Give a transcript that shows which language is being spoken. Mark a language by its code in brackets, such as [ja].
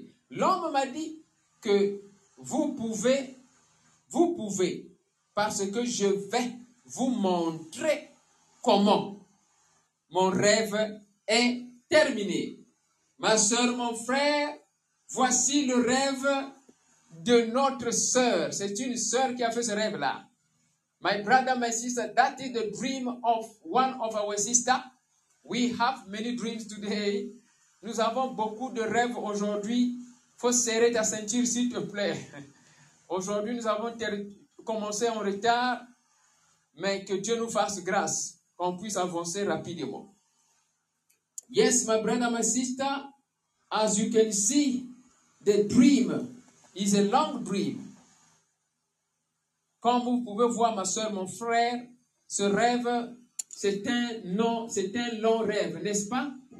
[fr] L'homme m'a dit que vous pouvez, parce que je vais vous montrer comment. Mon rêve est terminé. Ma sœur, mon frère, voici le rêve de notre sœur. C'est une sœur qui a fait ce rêve-là. [en] My brother, my sister, that is the dream of one of our sisters. We have many dreams today. [fr] Nous avons beaucoup de rêves aujourd'hui. Faut serrer ta ceinture, s'il te plaît. Aujourd'hui, nous avons commencé en retard, mais que Dieu nous fasse grâce, qu'on puisse avancer rapidement. [en] Yes, my brother, my sister, as you can see, the dream is a long dream. [fr] Comme vous pouvez voir, ma soeur, mon frère, ce rêve, c'est un long rêve, n'est-ce pas?